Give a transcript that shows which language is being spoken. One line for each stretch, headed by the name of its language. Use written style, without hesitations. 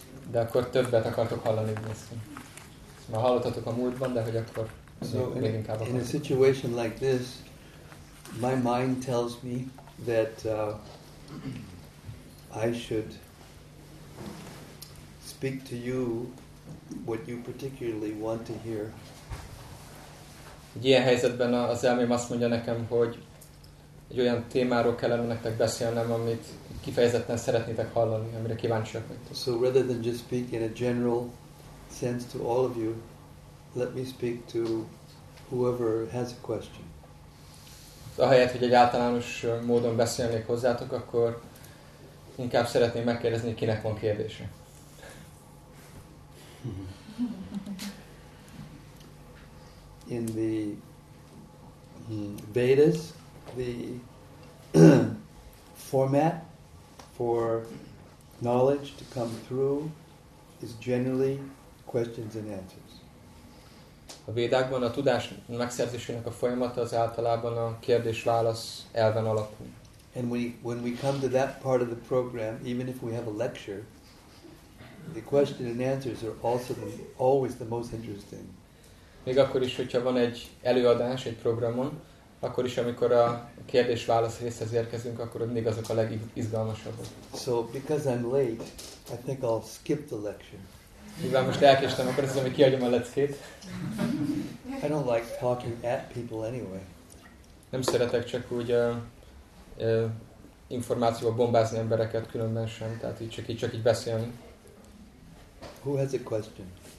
Hungarian: De akkor többet akartok hallani, nézzük. Már hallottatok a múltban, de hogy akkor még inkább akartok.
English: In a situation like this, my mind tells me that I should speak to you what you particularly want to hear.
Hungarian: Egy ilyen helyzetben az elmém azt mondja nekem, hogy egy olyan témáról kellene nektek beszélnem, amit kifejezetten szeretnétek hallani, amire kíváncsiak vagytok.
English: So rather than just speak in a general sense to all of you, let me speak to whoever has a question.
Hungarian: Ahelyett, hogy egy általános módon beszélnék hozzátok, akkor inkább szeretném megkérdezni, kinek van kérdése.
English: In the Vedas, the format for knowledge to come through is generally questions and answers.
Hungarian: A Védákban a tudás megszerzésének a folyamata az általában a kérdés-válasz elven alapul.
English: And when we come to that part of the program, even if we have a lecture, the question and answers are also always the most interesting.
Hungarian: Még akkor is, hogyha van egy előadás egy programon, akkor is, amikor a kérdés-válasz részhez érkezünk, akkor mindig azok a legizgalmasabbak.
English: So, because I'm late, I think I'll skip the lecture.
Hungarian: Mivel most elkéstem, akkor azt mondom, hogy kiadjam a leckét.
English: I don't like talking at people anyway.
Hungarian: Nem szeretek csak úgy információval bombázni embereket különben sem, tehát így csak így beszélni.
English: Who has a question?